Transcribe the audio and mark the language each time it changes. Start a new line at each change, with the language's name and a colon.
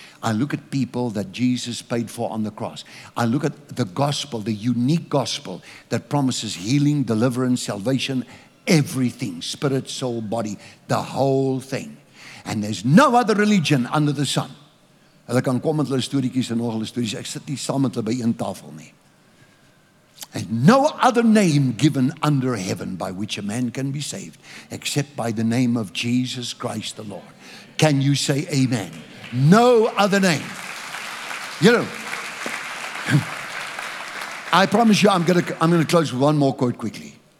English: I look at people that Jesus paid for on the cross. I look at the gospel, the unique gospel that promises healing, deliverance, salvation, everything, spirit, soul, body, the whole thing. And there's no other religion under the sun.
Afrikaans: Hulle kan kom met hulle storieetjies en nog hulle stories. Ek sit nie saam met hulle by een tafel nie.
English: And no other name given under heaven by which a man can be saved except by the name of Jesus Christ the Lord. Can you say amen? No other name. You know, I promise you, I'm going to close with one more quote quickly.